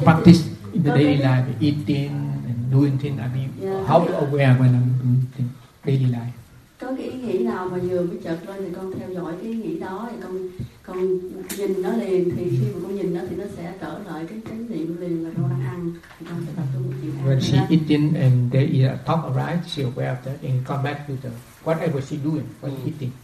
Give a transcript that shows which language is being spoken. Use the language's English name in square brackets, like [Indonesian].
[English] practice in the daily life, eating and doing things. I mean, yeah, how to aware when I'm doing daily life. [Vietnamese] Có cái ý nghĩ nào mà vừa mới chợt lên thì con theo dõi cái ý nghĩ đó thì con. Còn nhìn nó liền thì khi mà con nhìn nó thì nó sẽ trở lại cái chánh niệm liền là con đang ăn thì con sẽ tập trung một chuyện. [English] When she eating and there is a thought arise, she aware of that and come back to the whatever she doing, what she eating.